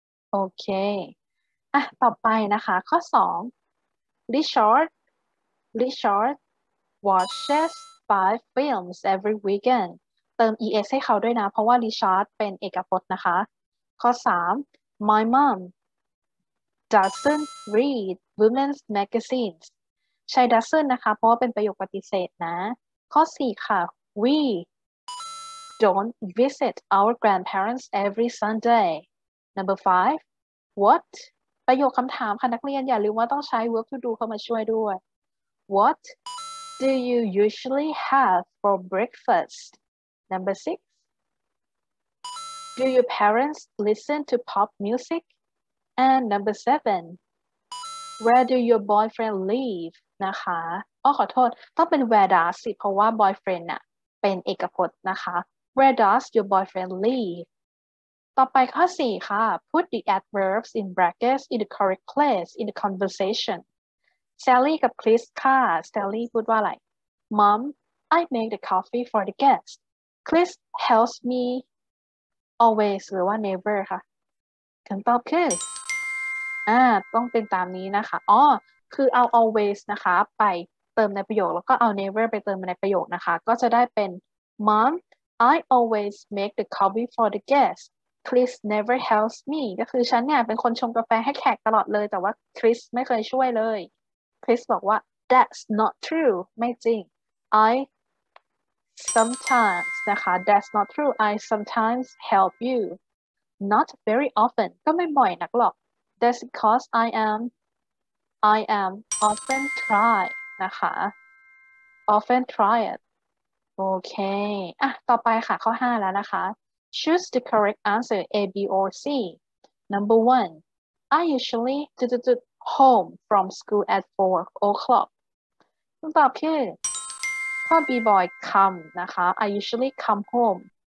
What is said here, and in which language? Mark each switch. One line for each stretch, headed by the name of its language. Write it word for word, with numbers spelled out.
Thai: โอเคอ่ะต่อไปนะคะข้อสอง Richard
English: Richard watches five films every weekend
Thai: เติม es ให้เขาด้วยนะเพราะว่า Richard เป็นเอกพจน์นะคะข้อสาม
English: My mom doesn't read women's magazines
Thai: ใช้ doesn't นะคะเพราะว่าเป็นประโยคปฏิเสธนะข้อสี่ค่ะ
English: we Don't visit our grandparents every Sunday. Number five, what?
Thai: ประโยคคำถามค่ะนักเรียนอย่าลืมว่าต้องใช้
English: verb to do
Thai: เข้ามาช่วยด้วย
English: What do you usually have for breakfast? Number six, do your parents listen to pop music? And number seven, where do your boyfriend live?
Thai: นะคะอ้อขอโทษต้องเป็น where does สิเพราะว่า boyfriend น่ะเป็นเอกพจน์นะคะ
English: Where does your boyfriend live?
Thai: ต่อไปข้อสี่ค่ะ
English: Put the adverbs in brackets in the correct place in the conversation. Sally กับ Chris ค่ะ Sally
Thai: พูดว่าอะไร
English: Mom, I make the coffee for the guests.
Thai: Chris helps me always หรือว่า never ค่ะคำตอบคืออ่าต้องเป็นตามนี้นะคะอ๋อคือเอา always นะคะไปเติมในประโยคแล้วก็เอา never ไปเติมในประโยคนะคะก็จะได้เป็น
English: Mom,I always make the coffee for the guests. Chris never helps me.
Thai: ก็คือฉันเนี่ยเป็นคนชงกาแฟให้แขกตลอดเลยแต่ว่า Chris ไม่เคยช่วยเลย Chris บอกว่า
English: That's not true.
Thai: ไม่จริง
English: I sometimes นะคะ That's not true. I sometimes help you. Not very often.
Thai: ก็ไม่บ่อยนักหรอก
English: That's because I am I am often try นะคะ often tired.
Thai: โอเคอ่ะต่อไปค่ะข้อห้าแล้วนะคะ
English: Choose the correct answer A B or C Number one I usually จุดๆๆ home from school at four o'clock
Thai: คำตอบคือข้อ
English: B boy come นะคะ I usually come home